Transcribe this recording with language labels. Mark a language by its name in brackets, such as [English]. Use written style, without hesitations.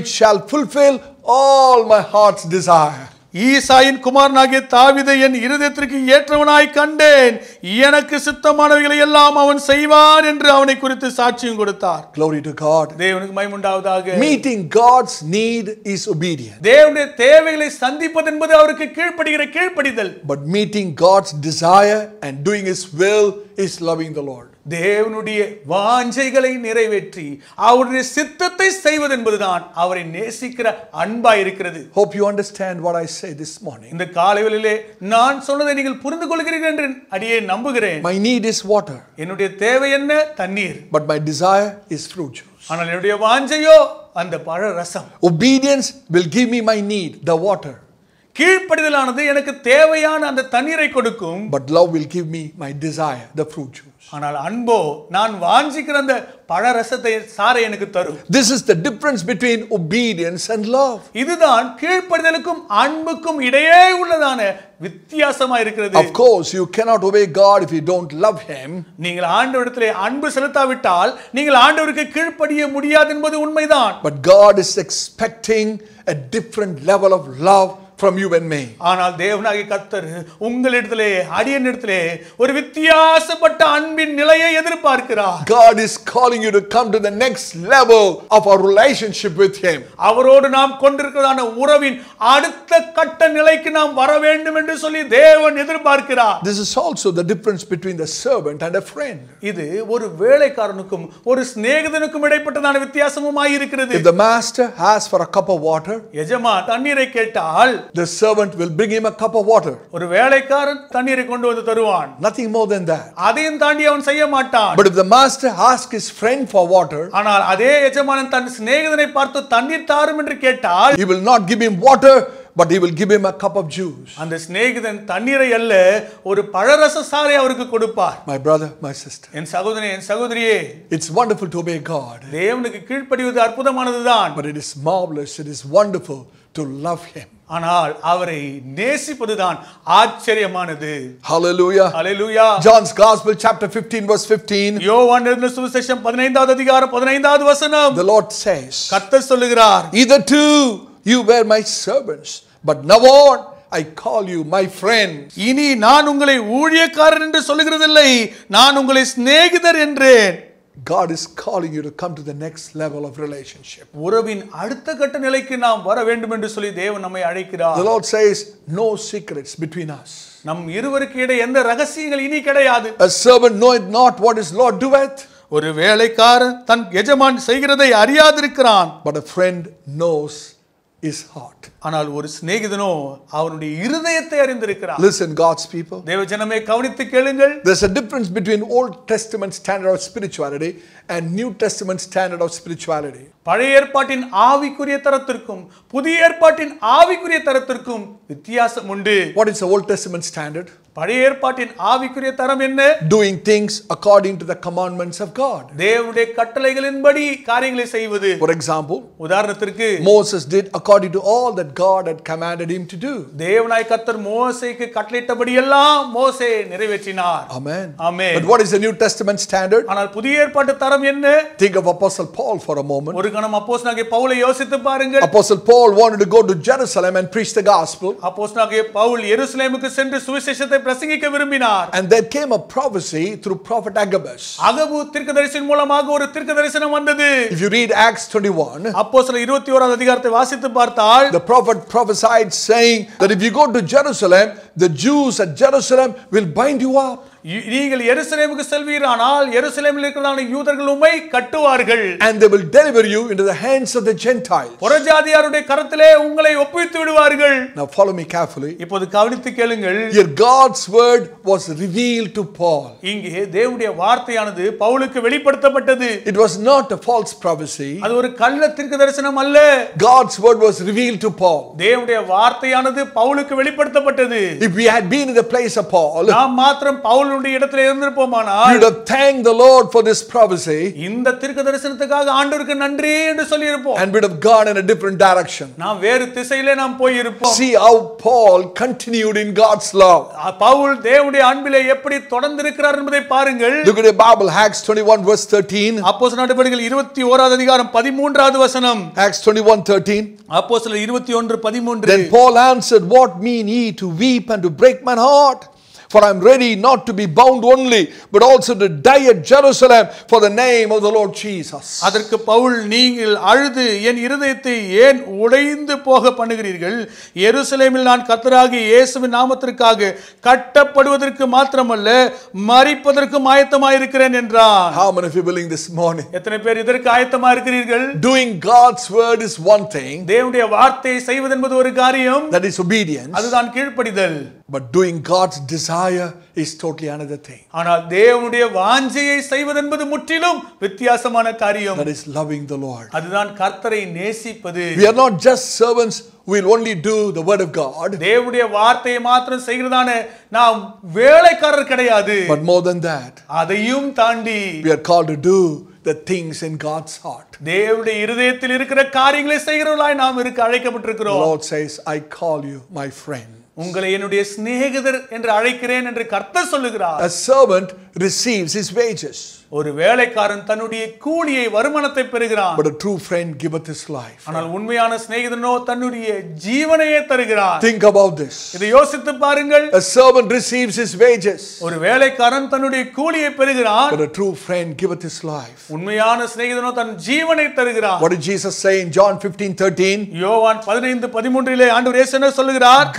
[English] I have found David the son of Jesse, a man after my own heart, which shall fulfill all my heart's desire. [Tamil] ஈசாயின் குமாரனாகிய தாவீதை என் இருதயத்திற்கு ஏற்றவனாய் கண்டேன் எனக்கு சித்தமானவைகளை எல்லாம் அவன் செய்வான் என்று அவனை குறித்து சாட்சியம் கொடுத்தார் [English] Glory to God [Tamil] தேவனுக்கு மகிமை உண்டாவதாக [English] Meeting God's need is obedience [Tamil] தேவனுடைய தேவைகளை சந்திப்பது என்பது அவருக்கு கீழ்ப்படிகிற கீழ்ப்படிதல் [English] But meeting God's desire and doing his will is loving the Lord [Tamil] தேவனுடைய வாஞ்சைகளை நிறைவேற்றி அவருடைய சித்தத்தை செய்வது என்பதுதான் அவரை நேசிக்கிற அன்பாய் இருக்கிறது [English] Hope you understand what I say this morning [Tamil] இந்த காலையிலே நான் சொன்னதை நீங்கள் புரிந்துகொள்கிறீர்கள் என்று அடியே நம்புகிறேன் [English] My need is water [Tamil] என்னுடைய தேவை என்ன தண்ணீர் [English] But my desire is fruit juice [Tamil] ஆனால் என்னுடைய வாஞ்சையோ அந்த பழ ரசம் [English] Obedience will give me my need the water [Tamil] கீழ்ப்படிதலானது எனக்கு தேவையான அந்த தண்ணீரை கொடுக்கும் [English] But love will give me my desire the fruit juice [Tamil] ஆனால் அன்போ நான் வாஞ்சிக்கிற அந்த பழரசத்தை சாரே எனக்கு தரும் [English] This is the difference between obedience and love [Tamil] இதுதான் கீழ்ப்படிதலுக்கும் அன்புக்கும் இடையே உள்ளதான வித்தியாசமா இருக்கிறது [English] Of course you cannot obey God if you don't love him [Tamil] நீங்கள் ஆண்டவரிடத்திலே அன்பு செலுத்தாவிட்டால் நீங்கள் ஆண்டவருக்கு கீழ்ப்படிய முடியாது என்பது உண்மைதான் [English] But God is expecting a different level of love from you and me [Tamil] ஆனால் தேவனாகிய கர்த்தர் உங்களிடத்திலே அடியனிடத்திலே ஒரு வித்தியாசப்பட்ட அன்பின் நிலையை எதிர்பார்க்கிறார் [English] God is calling you to come to the next level of our relationship with him [Tamil] அவரோடு நாம் கொண்டிருக்கிறதான உறவின் அடுத்த கட்ட நிலைக்கு நாம் வர வேண்டும் என்று சொல்லி தேவன் எதிர்பார்க்கிறார் [English] This is also the difference between the servant and a friend [Tamil] இது ஒரு வேலைக்காரனுக்கும் ஒரு சிநேகிதனுக்கும் இடைப்பட்டதான வித்தியாசமாய் இருக்கிறது [English] If the master asks for a cup of water [Tamil] எஜமான் தண்ணீரை கேட்டால் [English] The servant will bring him a cup of water. [Tamil] ஒரு வேலைக்காரன் தண்ணீரை கொண்டு வந்து தருவான். [English] Nothing more than that. [Tamil] அதையும் தாண்டி அவன் செய்ய மாட்டான். [English] But if the master asks his friend for water, [Tamil] ஆனால் அதே எஜமானன் தன் சிநேகிதனை பார்த்து தண்ணீர் தாரும் என்று கேட்டால், [English] he will not give him water. But he will give him a cup of juice. [Tamil] அந்த ஸ்நேகிதன் தண்ணீரை அல்ல ஒரு பழரச சாறை அவருக்கு கொடுப்பார். [English] My brother, my sister. [Tamil] என் சகோதரனே, என் சகோதரியே. [English] It's wonderful to obey God. [Tamil] தேவனுக்கு கீழ்ப்படிவது அற்புதமானதுதான். [English] But it is marvelous. It is wonderful to love him. [Tamil] ஆனால் அவரை நேசிப்பதுதான் ஆச்சரியமானது. [English] Hallelujah. Hallelujah. John's Gospel chapter 15 verse 15. [Tamil] யோவான் சுவிசேஷம் 15வது அதிகாரம் 15வது வசனம். [English] The Lord says. [Tamil] கர்த்தர் சொல்கிறார். [English] Either two You were my servants, but now on I call you my friend. [Tamil] இனி நான் உங்களை ஊழியக்காரர் என்று சொல்லுகிறதில்லை, நான் உங்களை சிநேகிதர் என்றேன். [English] God is calling you to come to the next level of relationship. [Tamil] உறவின் அடுத்த கட்ட நிலைக்கு நாம் வர வேண்டும் என்று சொல்லி தேவன் நம்மை அழைக்கிறார். [English] The Lord says, no secrets between us. [Tamil] நம் இருவருக்கு இடையே எந்த ரகசியங்கள் இனி கிடையாது. [English] A servant knoweth not what his Lord doeth. [Tamil] ஒரு வேலைக்காரன் தன் எஜமான் செய்கிறதை அறியாதிருக்கிறான். [English] But a friend knows is hot [Tamil] ஆனால் ஒரு சிநேகிதனோ அவருடைய இருதயத்தை அறிந்திருக்கிறார் [English] Listen God's people [Tamil] தேவ ஜனமே கவனித்து கேளுங்கள் [English] There's a difference between old testament standard of spirituality and new testament standard of spirituality [Tamil] பழைய ஏற்பாட்டின் ஆவிக்குரிய தரத்திற்கும் புதிய ஏற்பாட்டின் ஆவிக்குரிய தரத்திற்கும் வித்தியாசம் உண்டு [English] What is the old testament standard [Tamil] பழைய ஏற்பாட்டின் ஆவிக்குரிய தரம் என்ன [English] Doing things according to the commandments of God [Tamil] தேவனுடைய கட்டளைகளின்படி காரியங்களை செய்வது [English] For example [Tamil] உதாரணத்திற்கு [English] Moses did according to all that God had commanded him to do [Tamil] தேவனாய் கர்த்தர் மோசேக்கு கட்டளையிட்டபடி எல்லாம் மோசே நிறைவேற்றினார் [English] Amen Amen But what is the new testament standard [Tamil] ஆனால் புதிய ஏற்பாட்டு தரம் என்ன [English] Think of apostle Paul for a moment [Tamil] ஒரு இருக்கணும் அப்போஸ்தலனாகிய பவுலை யோசித்து பாருங்கள் [English] apostle Paul wanted to go to Jerusalem and preach the gospel [Tamil] அப்போஸ்தலனாகிய பவுல் எருசலேமுக்கு சென்று சுவிசேஷத்தை பிரசங்கிக்க விரும்பினார் [English] and there came a prophecy through prophet Agabus [Tamil] அகபு தீர்க்கதரிசன் மூலமாக ஒரு தீர்க்கதரிசனம் வந்தது [English] if you read acts 21 [Tamil] அப்போஸ்தலர் 21 அதிகாரத்தை வாசித்து பார்த்தால் [English] the prophet prophesied saying that if you go to Jerusalem the Jews at Jerusalem will bind you up [Tamil] நீங்கள் எருசலேமுக்கு செல்வீரானால் எருசலேமில் இருக்கிற யூதர்கள் உம்மை கட்டுவார்கள் [English] and they will deliver you into the hands of the gentiles [Tamil] புறஜாதியாருடைய கரத்திலே உங்களை ஒப்புவித்து விடுவார்கள் [English] now follow me carefully [Tamil] இப்போது கவனித்து கேளுங்கள் [English] your god's word was revealed to paul [Tamil] இங்கே தேவனுடைய வார்த்தையானது பவுலுக்கு வெளிப்படுத்தப்பட்டது [English] it was not a false prophecy [Tamil] அது ஒரு கள்ளத்தீர்க்க தரிசனம் அல்ல [English] god's word was revealed to paul [Tamil] தேவனுடைய வார்த்தையானது பவுலுக்கு வெளிப்படுத்தப்பட்டது [English] if we had been in the place of paul [Tamil] நாம் மாத்திரம் அவளுடைய இடத்திலே இருந்திருப்போமானால் [English] you have thanked the lord for this prophecy [Tamil] இந்த தீர்க்கதரிசனத்துக்காக ஆண்டவருக்கு நன்றி என்று சொல்லியிருப்போம் [English] and we'd have gone in a different direction [Tamil] நாம் வேறு திசையிலே நாம் போய் இருப்போம் [English] see how paul continued in god's love [Tamil] Pavul தேவனுடைய அன்பிலே எப்படி தொடர்ந்து இருக்கிறார் என்பதை பாருங்கள் [English] look at the bible acts 21 verse 13 [Tamil] அப்போஸ்தலர்கள் 21வது அதிகாரம் 13வது வசனம் [English] acts 21 13 [Tamil] அப்போஸ்தலர் 21 13 [English] then paul answered what mean ye to weep and to break my heart For I am ready not to be bound only, but also to die at Jerusalem for the name of the Lord Jesus. [Tamil] அதற்கு பவுல் நீங்கள் அழுது என் இருதயத்தை ஏன் உடைந்து போக பண்ணுகிறீர்கள் எருசலேமில் நான் கர்த்தராகிய இயேசுவின் நாமத்திற்காக கட்டப்படுவதற்கு மாத்திரமல்ல மரிப்பதற்கும் ஆயத்தமாக இருக்கிறேன் என்றான் [English] How many of you willing this morning? [Tamil] எத்தனை பேர் இதற்கு ஆயத்தமாக இருக்கிறீர்கள் [English] Doing God's word is one thing. [Tamil] தேவனுடைய வார்த்தை செய்வது என்பது ஒரு காரியம் [English] That is obedience. [Tamil] அதுதான் கீழ்ப்படிதல் [English] But doing God's desire is totally another thing. [Tamil] ஆனால் தேவனுடைய வாஞ்சையை செய்வது என்பது முற்றிலும் வித்தியாசமான காரியம். [English] That is loving the Lord. [Tamil] அதுதான் கர்த்தரை நேசிப்பது. [English] We are not just servants. We'll only do the word of God. [Tamil] தேவனுடைய வார்த்தையை மட்டும் செய்கிறதானே நாம் வேலைக்காரர் கிடையாது. [English] But more than that. [Tamil] அதையும் தாண்டி. [English] We are called to do the things in God's heart. [Tamil] தேவனுடைய இருதயத்தில் இருக்கிற காரியங்களை செய்கிறவர்களாய் நாம் இருக்க அழைக்கப்பட்டிருக்கிறோம். [English] The Lord says, I call you my friend. [Tamil] உங்களை என்னுடைய சிநேகிதர் என்று அழைக்கிறேன் என்று கர்த்தர் சொல்லுகிறார் [English] A servant receives his wages. [Tamil] ஒரு வேலைக்காரன் தன்னுடைய கூலியை வருமானத்தை பெறுகிறான் [English] But a true friend giveth his life. [Tamil] ஆனால் உண்மையான சிநேகிதனோ தன்னுடைய ஜீவனையே தருகிறான் [English] Think about this. [Tamil] இதை யோசித்து பாருங்கள் [English] A servant receives his wages. [Tamil] ஒரு வேலைக்காரன் தன்னுடைய கூலியை பெறுகிறான் [English] But a true friend giveth his life. [Tamil] உண்மையான சிநேகிதனோ தன் ஜீவனை தருகிறான் [English] What did Jesus say in John 15:13? [Tamil] யோவான் 15:13-லே ஆண்டவர் இயேசு என்ன சொல்கிறார்